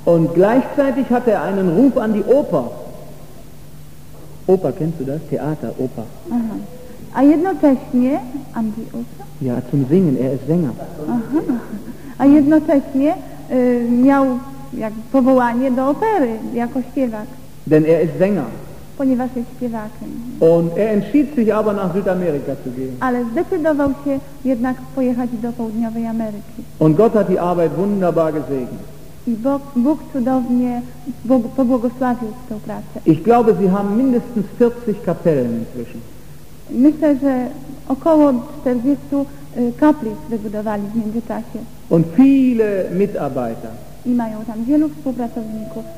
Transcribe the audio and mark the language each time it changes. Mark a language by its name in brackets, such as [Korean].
[German] Und gleichzeitig hatte er einen Ruf an die Oper. Oper, kennst du das? Theater, Oper. [Polish] Aha. A jednocześnie [German] an die Oper? Ja, zum Singen, er ist Sänger. Aha. [Polish] A jednocześnie miał powołanie do opery jako śpiewak. [German] Denn er ist Sänger. [Polish] Ponieważ jest śpiewakiem. [German] Und er entschied sich aber nach Südamerika zu gehen. [Polish] Ale zdecydował się jednak pojechać do Południowej Ameryki. [German] Und Gott hat die Arbeit wunderbar gesegnet. [Polish] I Bóg cudownie pobłogosławił tę pracę. [German] Ich glaube, sie haben mindestens 40 Kapellen inzwischen. [Polish] Myślę, że około 40 kaplic wybudowali w międzyczasie. [German] Und viele Mitarbeiter. [Polish] I mają tam wielu współpracowników.